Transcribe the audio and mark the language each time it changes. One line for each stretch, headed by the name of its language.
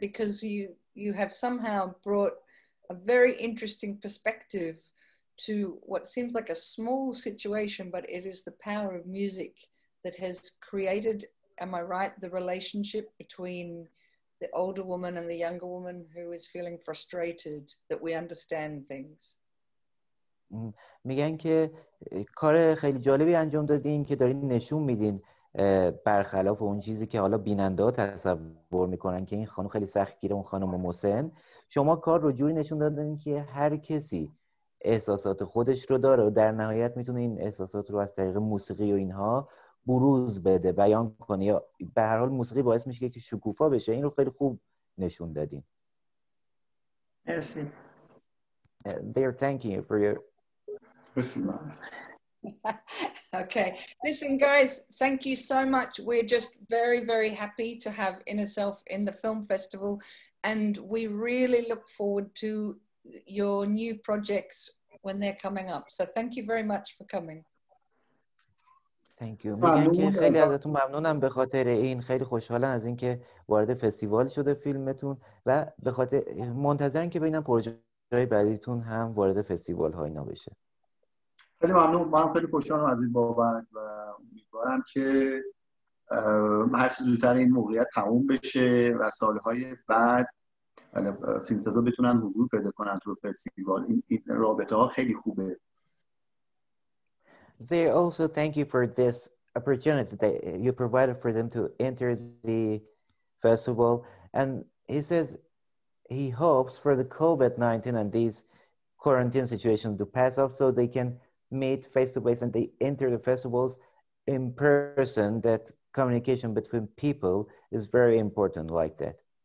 English: Because you have somehow brought a very interesting perspective to what seems like a small situation, but it is the power of music that has created, am I right, the relationship between the older woman and the younger woman who is feeling frustrated that we understand things.
Persian: میگن که کار خیلی جالبی انجام دادین که دارین نشون میدین برخلاف اون چیزی که حالا بیننده ها تصور میکنن که این خانم خیلی سخت گیره اون خانم محسن شما کار رو جوری نشون دادین که هر کسی احساسات خودش رو داره و در نهایت میتونه این احساسات رو از طریق موسیقی و اینها بروز بده بیان کنه یا به هر حال موسیقی باعث میشه که شکوفا بشه این رو خیلی خوب نشون دادین مرسی
English: They're thanking you for your Okay, listen guys, thank you so much. We're just very, very happy to have Inner Self in the film festival and we really look forward to your new projects when they're coming up. So thank you very much for coming. Thank you.
Persian: میگم که خیلی ازتون ممنونم به خاطر این خیلی خوشحالم از اینکه وارد فستیوال شده فیلمتون و به خاطر منتظرم که ببینم پروژه‌های بعدیتون هم وارد فستیوال‌ها اینا بشه. خیلی ممنون من خیلی خوشحالم از این بابت و امیدوارم که هر چه زودتر این موقعیت تموم بشه و سالهای بعد فیلمسازا بتونن حضور پیدا کنن تو فستیوال این رابطه ها خیلی خوبه
English: They also thank you for this opportunity that you provided for them to enter the festival and he says he hopes for the COVID-19 and these quarantine situations to pass off so they can meet face-to-face and they enter the festivals in person, that communication between people is very important like that.